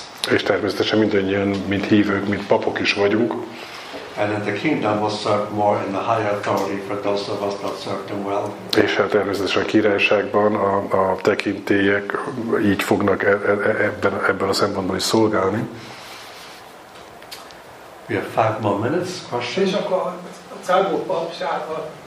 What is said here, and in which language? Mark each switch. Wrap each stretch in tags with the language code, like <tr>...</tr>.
<hu>És természetesen mindannyian, mint hívők, mint papok is vagyunk.</hu> <en>And the kingdom will serve more in the higher authority for those of us that serve them well.</en> <hu>És hát természetesen a királyságban a tekintélyek így fognak ebben a szempontból is szolgálni.</hu> <en>We have 5 more minutes. Question.</en> <hu>És akkor a cádok papságban</hu>